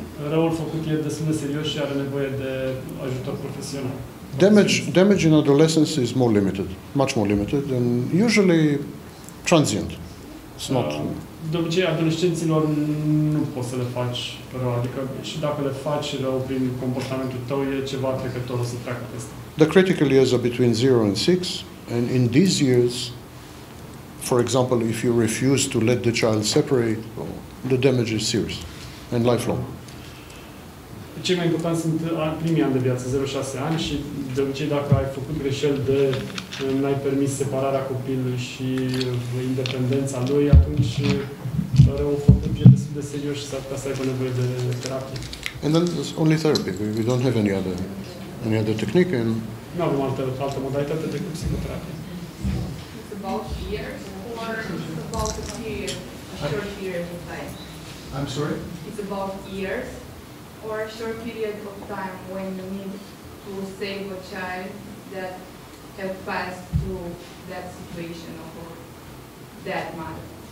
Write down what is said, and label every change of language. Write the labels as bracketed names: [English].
[Romanian] Răul făcut e destul de serios și are nevoie de ajutor profesional. [English] Damage in adolescence is more limited, much more limited and usually transient. It's not. [Romanian] De obicei, adolescenților nu poți să le faci rău, adică și dacă le faci rău prin comportamentul tău, e ceva trecător, o să treacă peste. [English] The critical years are between 0 and 6 and in these years, for example, if you refuse to let the child separate, the damage is serious and lifelong. [Romanian] Cei mai importanti sunt primii ani de viață, 0-6 ani și de obicei dacă ai făcut greșeli de n-ai permis separarea copilului și independența lui, atunci rău făcut e destul de serios și s-ar putea să aibă nevoie de terapie. [English] And then it's only therapy. We don't have any other technique. And... [Romanian] Nu avem altă modalitate decât psihoterapie. [English] It's about years or it's about a year, a short period of time. I'm sorry? It's about years. Or a short period of time when you need to save a child that have passed through that situation of that mother.